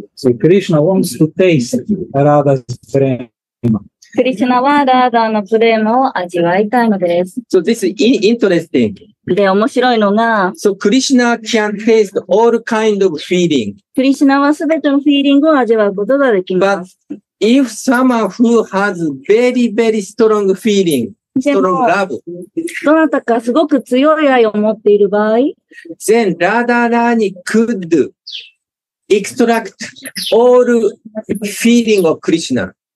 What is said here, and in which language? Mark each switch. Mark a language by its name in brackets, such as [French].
[English] So Krishna wants to taste Radha's prema. [Japanese] Krishna はラーダーのプレームを味わいたいのです。 [English] So this is interesting. [Japanese] で、面白いのが、 [English] So Krishna can taste all kind of feeling. [Japanese] クリシュナはすべてのフィーリングを味わうことができます。 [English] But if someone who has very, very strong feeling, strong love, [Japanese] どなたかすごく強い愛を持っている場合、 [English] then Radharani could extract all feeling of Krishna.